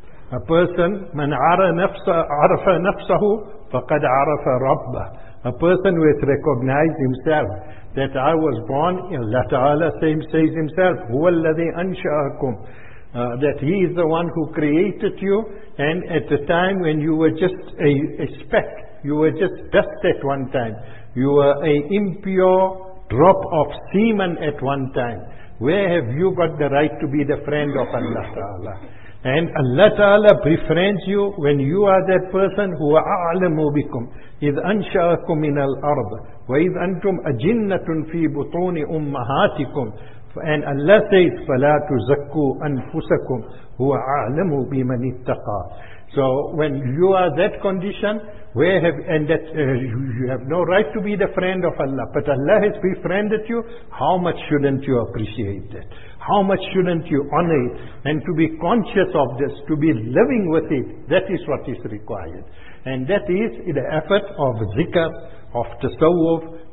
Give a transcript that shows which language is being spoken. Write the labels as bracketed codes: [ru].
[en] A person, [ar] من عرف نفسه فقد عرف ربه. [en] A person who has recognized himself, that I was born, Allah Ta'ala same says Himself, [ar] هو الذي أنشأكم. [en] That He is the one who created you, and at the time when you were just a speck, you were just dust at one time, you were an impure drop of semen at one time, where have you got the right to be the friend of Allah Ta'ala? And Allah Ta'ala befriends you when you are that person who [ar] أَعْلَمُ بِكُمْ إِذْ أَنْشَأَكُمْ مِنَ الْأَرْضِ وَإِذْ أَنْتُمْ أَجِنَّةٌ فِي بُطُونِ أُمَّهَاتِكُمْ. [en] And Allah says, [ar] فَلَا تُزَكُّوا أَنفُسَكُمْ هُوَ أَعْلَمُ بِمَنِ اتَّقَى. [en] So when you are that condition, you have no right to be the friend of Allah, but Allah has befriended you, how much shouldn't you appreciate that? How much shouldn't you honor it? And to be conscious of this, to be living with it, that is what is required. And that is the effort of zikr, of tasawwuf,